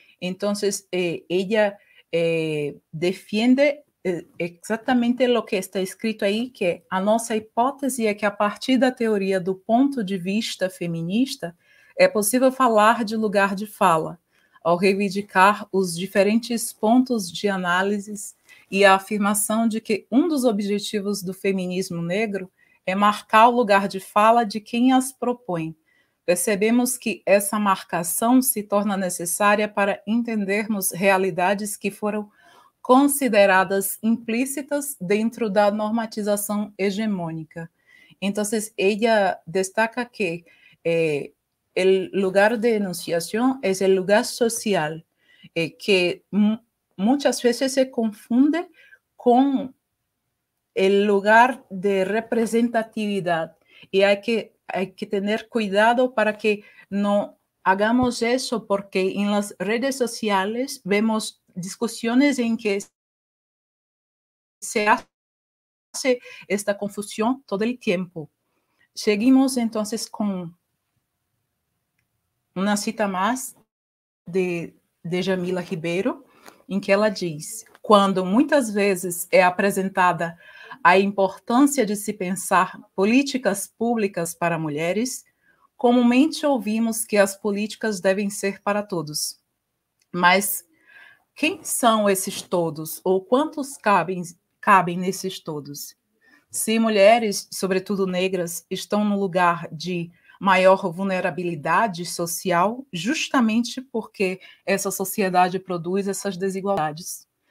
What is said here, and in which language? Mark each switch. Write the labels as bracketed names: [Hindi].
[Spanish] Entonces, ella defiende exactamente lo que está escrito ahí, que a nuestra hipótesis es que a partir de la teoría del punto de vista feminista, es posible hablar de lugar de fala, al reivindicar los diferentes puntos de análisis y la afirmación de que uno de los objetivos del feminismo negro es marcar el lugar de fala de quien las propone. [Portuguese] Percebemos que essa marcação se torna necessária para entendermos realidades que foram consideradas implícitas dentro da normatização hegemônica. Então, ela destaca que o lugar de enunciação é o lugar social, que muitas vezes se confunde com o lugar de representatividade. [Spanish] E há que tener cuidado para que no hagamos eso, porque en las redes sociales vemos discusiones en que se hace esta confusión todo el tiempo. Seguimos entonces con una cita más de Jamila Ribeiro, en que ella dice: cuando muchas veces es presentada [Portuguese] a importância de se pensar políticas públicas para mulheres, comumente ouvimos que as políticas devem ser para todos. Mas quem são esses todos, ou quantos cabem nesses todos? Se mulheres, sobretudo negras, estão no lugar de maior vulnerabilidade social, justamente porque essa sociedade produz essas desigualdades.